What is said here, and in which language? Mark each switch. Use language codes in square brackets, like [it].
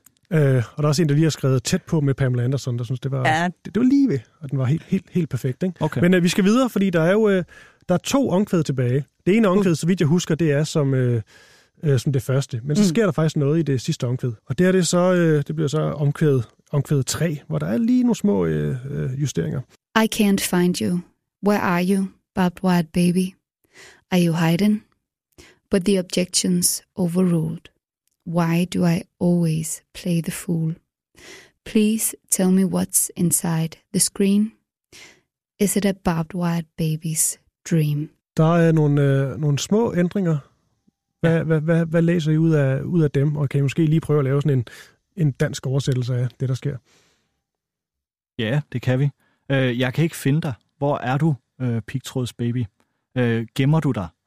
[da] Og der er også en, der lige har skrevet tæt på med Pamela Anderson, der synes, det var, det var lige ved, og den var helt, helt, helt perfekt, ikke? Okay. Men vi skal videre, fordi der er jo der er to omkvæd tilbage. Det ene omkvæd, så vidt jeg husker, det er som det første. Men så sker der faktisk noget i det sidste omkvæd. Og der er det så, det bliver så omkvæd 3, hvor der er lige nogle små justeringer. [en] I can't find you. Where are you, barbed wire baby? Are you hiding? But the objections overruled. Why do I always play the fool? Please tell me what's inside the screen. Is it a barbed wire baby's dream? [da] Der er nogle små ændringer. Hvad læser I ud af dem? Og kan I måske lige prøve at lave sådan en dansk oversættelse af det, der sker? Ja, det kan vi. Jeg kan ikke finde dig. Hvor er du, pigtråds baby? Gemmer du dig?